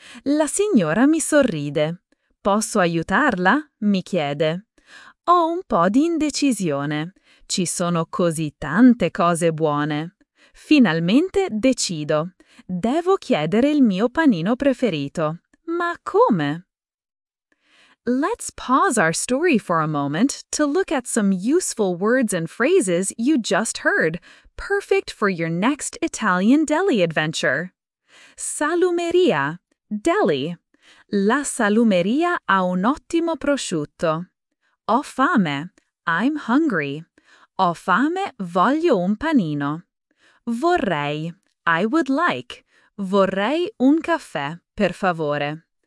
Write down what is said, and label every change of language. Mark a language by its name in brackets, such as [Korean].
[Italian] La signora mi sorride. Posso aiutarla? Mi chiede. Ho un po' di indecisione. Ci sono così tante cose buone. Finalmente decido. Devo chiedere il mio panino preferito. Ma come? [English] Let's pause our story for a moment to look at some useful words and phrases you just heard, perfect for your next Italian deli adventure. [Italian] Salumeria, deli. La salumeria ha un ottimo prosciutto. Ho fame, [English] I'm hungry. [Italian] Ho fame, voglio un panino. Vorrei, [English] I would like. [Italian] Vorrei un caffè, per favore.